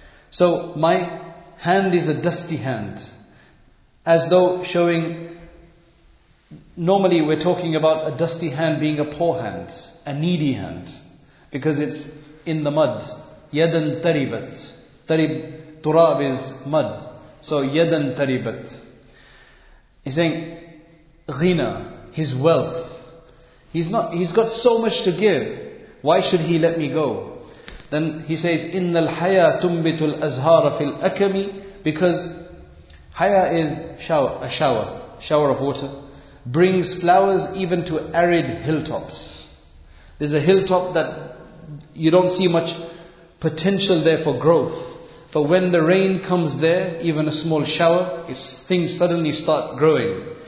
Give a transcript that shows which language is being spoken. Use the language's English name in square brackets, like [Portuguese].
[English] So my hand is a dusty hand, as though showing, normally we're talking about a dusty hand being a poor hand, a needy hand, because it's in the mud. Yadan taribat. Tarib, turab is mud. So yadan taribat. He's saying, ghina, his wealth. He's got so much to give. Why should he let me go? Then he says, [Arabic] إِنَّ الْحَيَا تُنْبِتُ الْأَزْهَارَ فِي الْأَكَمِ. [English] Because haya is shower of water, brings flowers even to arid hilltops. There's a hilltop that you don't see much potential there for growth. But when the rain comes there, even a small shower, things suddenly start growing.